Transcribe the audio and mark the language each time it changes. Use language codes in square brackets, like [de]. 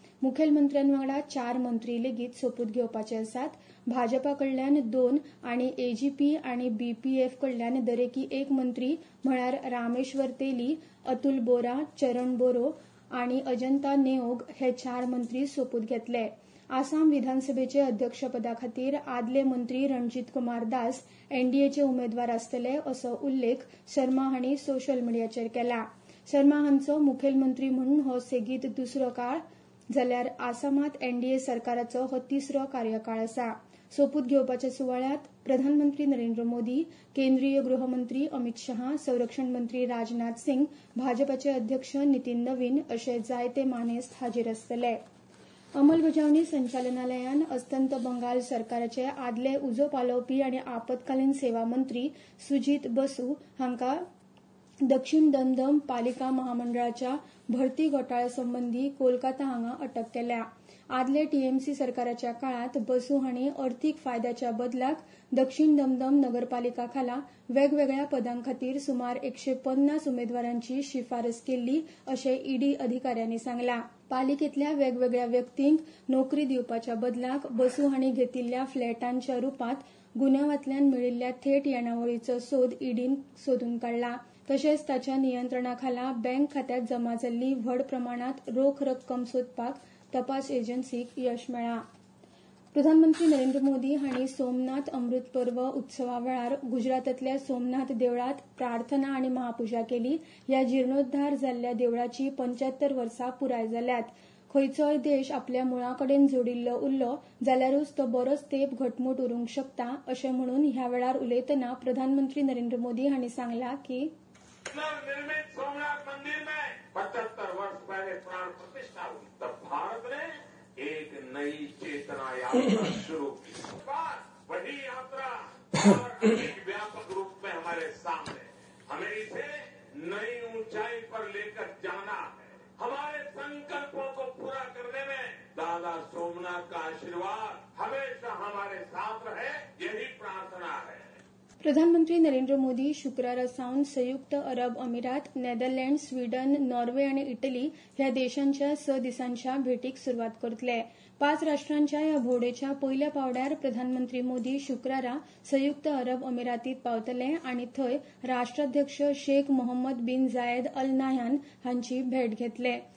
[gom] मुखेलमंत्र्यांवांगडा चार मंत्री लेगीत सोपूत घेवपाचे आसात. भाजपा कडल्यान दोन आणि एजीपी आणि बीपीएफ कडल्यान दरेकी एक मंत्री म्हळ्यार रामेश्वर तेली, अतुल बोरा, चरण बोरो आणि अजंता नेओग हे चार मंत्री सोपूत घेतले. आसाम विधानसभेचे अध्यक्ष पदाखातीर आदले मंत्री रणजीत कुमार दास एनडीएचे उमेदवार असतले असो उल्लेख शर्मा हांणी सोशल मीडियाचेर केला. शर्मा हांचो मुखेलमंत्री म्हणून हो सेगीत दुसरो काळ जाल्यार आसामात एनडीए सरकाराचो हो तिसरो कार्यकाळ आसा. सोपूत घेवपाच्या सुवाळ्यात प्रधानमंत्री नरेंद्र मोदी, केंद्रीय गृहमंत्री अमित शहा, संरक्षण मंत्री राजनाथ सिंग, भाजपाचे अध्यक्ष नितीन नवीन असे जायते मानेस्त हाजीर असतले. अंमलबजावणी संचालनालयान अस्तंत बंगाल सरकाराचे आदले उजो पालोवपी आणि आपत्कालीन सेवा मंत्री सुजीत बसू हांका दक्षिण दमदम पालिका महामंडळाच्या भरती घोटाळ्या संबंधी कोलकाता हांगा अटक केल्या. आदले टीएमसी सरकाराच्या काळात बसू हांणी अर्थिक फायद्याच्या बदलाक दक्षिण दमदम नगरपालिका खाला वेगवेगळ्या पदांखातीर सुमार 150 उमेदवारांची शिफारस केली असे ईडी अधिकाऱ्यांनी सांगला. पालिकेतल्या वेगवेगळ्या व्यक्तींक नोकरी दिवपाच्या बदलाक बसू हांणी घेतिल्ल्या फ्लॅटांच्या रुपात गुन्ह्यांवातल्यान मेळिल्ल्या थेट येणावळीचो सोद ईडीन सोदून काढला. तशेंच ताच्या नियंत्रणाखाला बँक खात्यात जमा जाल्ली व्हड प्रमाणात रोख रक्कम सोदपाक तपास एजन्सीक यश मेळ्ळा. प्रधानमंत्री नरेंद्र मोदी हांणी सोमनाथ अमृत पर्व उत्सवा वेळार गुजरातातल्या सोमनाथ देवळात प्रार्थना आणि महापूजा केली. या जीर्णोद्धार जाल्ल्या देवळाची 75 वर्सां पुराय जाल्यात. खंयचोय देश आपल्या मुळाकडेन जोडिल्लो उरलो जाल्यारूच तो बरोच तेप घटमूट उरूंक शकता अशे म्हणून ह्या वेळार उलयतना प्रधानमंत्री नरेंद्र मोदी हांणी सांगला की [hi] नवनिर्मित सोमनाथ मंदिर में 75 वर्ष पहले प्राण प्रतिष्ठा हुई तब भारत ने एक नई चेतना यात्रा शुरू की. वही यात्रा एक व्यापक रूप में हमारे सामने, हमें इसे नई ऊंचाई पर लेकर जाना है. हमारे संकल्पों को पूरा करने में दादा सोमनाथ का आशीर्वाद हमेशा हमारे साथ रहे, यही प्रार्थना है. [gom] प्रधानमंत्री नरेंद्र मोदी शुक्रारा सावन संयुक्त अरब अमिरात, नेदरलँड, स्वीडन, नॉर्वे आणि इटली ह्या देशांच्या 6 दिसांच्या भेटीक सुरुवात करतले. 5 राष्ट्रांच्या ह्या भोवडेच्या पहिल्या पावड्यार प्रधानमंत्री मोदी शुक्रारा संयुक्त अरब अमिरातीत पावतले आणि थंय राष्ट्राध्यक्ष शेख मोहम्मद बिन जायद अल नाहयान हांची भेट घेतले.